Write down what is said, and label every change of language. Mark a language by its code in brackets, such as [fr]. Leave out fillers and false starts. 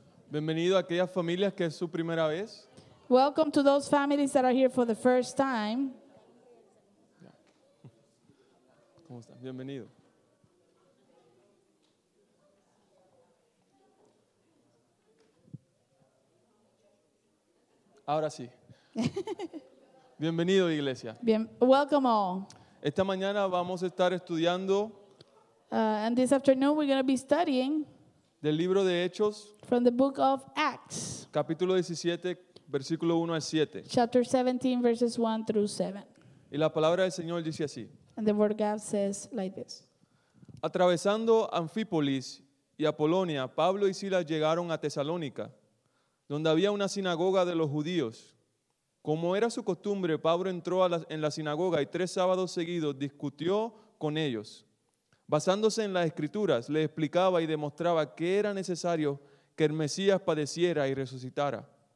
[es] Bienvenido a aquellas familias que es su primera vez. [en] Welcome to those families that are here for the first time. [es] ¿Cómo están? Bienvenido. Ahora sí. Bienvenido, iglesia. [en] Bien, welcome all. [es] Esta mañana vamos a estar estudiando. [en] And this afternoon we're going to be studying. [es] Del libro de Hechos. [en] From the book of Acts. [es] Capítulo 17, versículo 1 al 7. [en] Chapter 17, verses 1 through 7. [es] Y la palabra del Señor dice así. [en] And the word of God says like this. [es] Atravesando Anfípolis y Apolonia, Pablo y Silas llegaron a Tesalónica, donde había una sinagoga de los judíos. Como era su costumbre, Pablo entró en la sinagoga y tres sábados seguidos discutió con ellos. Basándose en las Escrituras, les explicaba y demostraba que era necesario que el Mesías padeciera y resucitara.